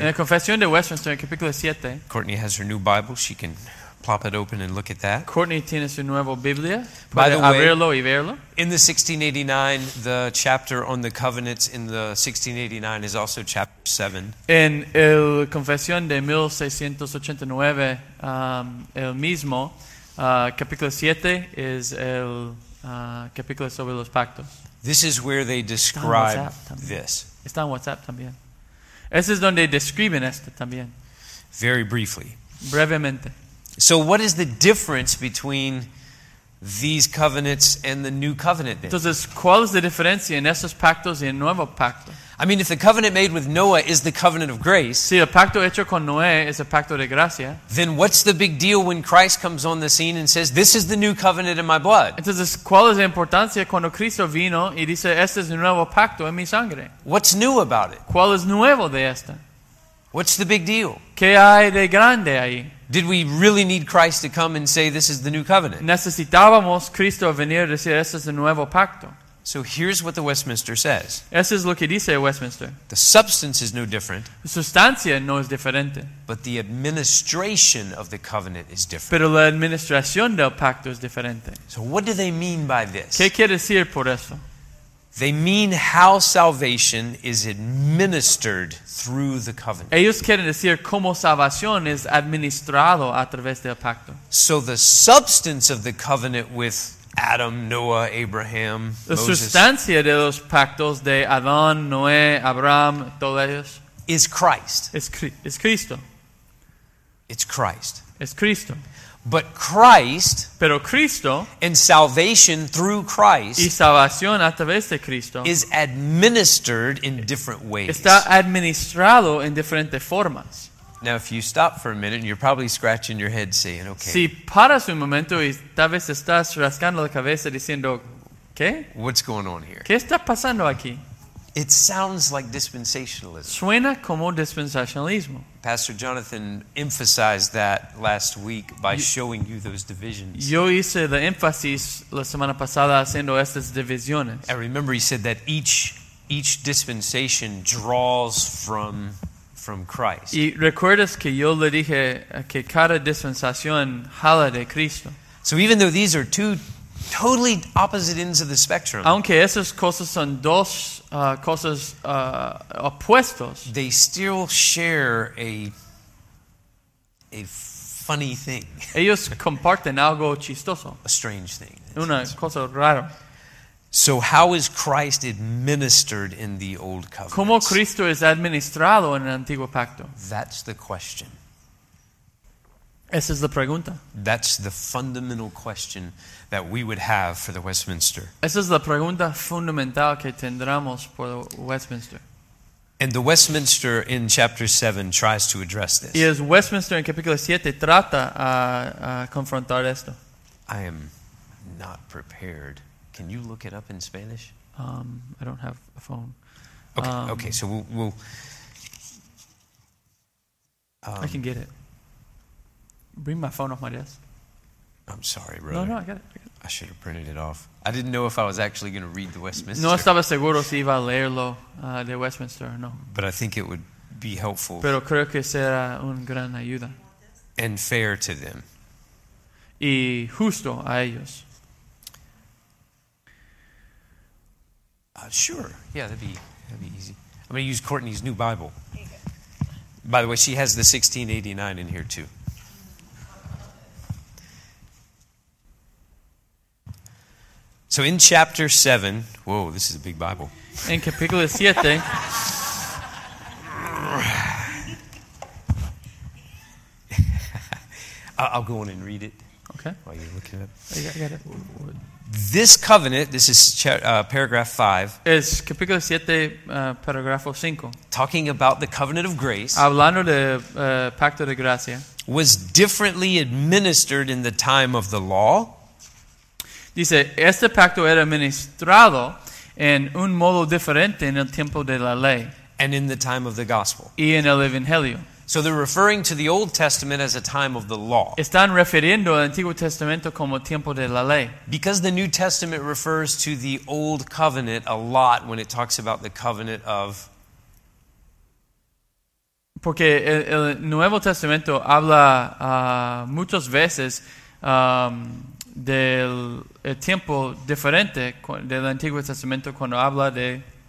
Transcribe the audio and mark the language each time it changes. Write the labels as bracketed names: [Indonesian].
[Spanish] En la confesión de Westminster, en capítulo 7. [English] Courtney has her new Bible. She can plop it open and look at that. [Spanish] Courtney tiene su nueva Biblia. Puede abrirlo y verlo. [English] In the 1689, the chapter on the covenants in the 1689 is also chapter 7. [Spanish] En el confesión de 1689, el mismo, capítulo 7 es el capítulo sobre los pactos. [English] This is where they describe this. [Spanish] Está en WhatsApp también. Ese es donde describen esto también. [English] Very briefly. [Spanish] Brevemente. [English] So what is the difference between these covenants and the new covenant then? [Spanish] Entonces, ¿cuál es la diferencia en esos pactos y el nuevo pacto? [English] I mean, if the covenant made with Noah is the covenant of grace, [Spanish] si el pacto hecho con Noé es el pacto de gracia, [English] then what's the big deal when Christ comes on the scene and says, "This is the new covenant in my blood"? [Spanish] Entonces, ¿cuál es la importancia cuando Cristo vino y dice, "Este es el nuevo pacto en mi sangre"? [English] What's new about it? [Spanish] ¿Cuál es nuevo de esto? [English] What's the big deal? [Spanish] ¿Qué hay de grande ahí? [English] Did we really need Christ to come and say this is the new covenant? [Spanish] Necesitábamos Cristo venir a decir este es el nuevo pacto. [English] So here's what the Westminster says. [Spanish] Eso es lo que dice Westminster. [English] The substance is no different. [Spanish] La sustancia no es diferente. [English] But the administration of the covenant is different. [Spanish] Pero la administración del pacto es diferente. [English] So what do they mean by this? [Spanish] ¿Qué quiere decir por eso? [English] They mean how salvation is administered through the covenant. [Spanish] Ellos quieren decir cómo salvación es administrado a través del pacto. [English] So the substance of the covenant with Adam, Noah, Abraham, [Spanish] la [English] Moses, [Spanish] sustancia de los pactos de Adán, Noé, Abraham, todos ellos, [English] is Christ. [Spanish] Es Cristo. [English] It's Christ. [Spanish] Es Cristo. [English] But Christ, [Spanish] pero Cristo, [English] and salvation through Christ, [Spanish] y salvación a través de Cristo, [English] is administered in different ways. [Spanish] Está administrado en diferentes formas. [English] Now, if you stop for a minute, you're probably scratching your head, saying, "Okay." [Spanish] Si paras un momento y tal vez estás rascando la cabeza diciendo, ¿qué? [English] What's going on here? [Spanish] ¿Qué está pasando aquí? [English] It sounds like dispensationalism. [Spanish] Suena como dispensacionalismo. [English] Pastor Jonathan emphasized that last week by showing you those divisions. [Spanish] Yo hice el énfasis la semana pasada haciendo estas divisiones. [English] And remember, he said that each dispensation draws from Christ. [Spanish] Y recuerdas que yo le dije que cada dispensación jala de Cristo. [English] So even though these are two totally opposite ends of the spectrum, [Spanish] aunque esas cosas son dos cosas opuestos, [English] they still share a funny thing. [Spanish] Ellos comparten algo chistoso. [English] A strange thing. [Spanish] Una cosa rara. [English] So how is Christ administered in the old covenant? [Spanish] ¿Cómo Cristo es administrado en el antiguo pacto? [English] That's the question. [Spanish] Esa es la pregunta. [English] That's the fundamental question that we would have for the Westminster. [Spanish] Esa es la pregunta fundamental que tendremos por Westminster. [English] And the Westminster in chapter 7 tries to address this. [Spanish] Y es Westminster en capítulo 7 trata a confrontar esto. [English] I am not prepared. Can you look it up in Spanish? I don't have a phone. Okay, so we'll I can get it. Bring my phone off my desk. I'm sorry, brother. No, I got it. I should have printed it off. I didn't know if I was actually going to read the Westminster. [Spanish] No estaba seguro si iba a leerlo de Westminster o no. [English] But I think it would be helpful. [Spanish] Pero creo que será un gran ayuda. [English] And fair to them. [Spanish] Y justo a ellos. [English] Sure. Yeah, that'd be easy. I'm going to use Courtney's new Bible. By the way, she has the 1689 in here too. So in chapter 7, whoa, this is a big Bible. [Spanish] En capítulo 7. [English] I'll go on and read it. Okay. While you're looking at it. I got it. This covenant, this is paragraph 5. [Spanish] Es capítulo 7, paragrafo 5. [English] Talking about the covenant of grace. [Spanish] Hablando de pacto de gracia. [English] Was differently administered in the time of the law. [Spanish] Dice, este pacto era administrado en un modo diferente en el tiempo de la ley. [English] And in the time of the gospel. [Spanish] Y en el evangelio. [English] So they're referring to the Old Testament as a time of the law. [Spanish] Están refiriendo al Antiguo Testamento como tiempo de la ley. [English] Because the New Testament refers to the Old Covenant a lot when it talks about the covenant of... [Spanish] Porque el Nuevo Testamento habla muchas veces del el tiempo diferente del Antiguo Testamento cuando habla de...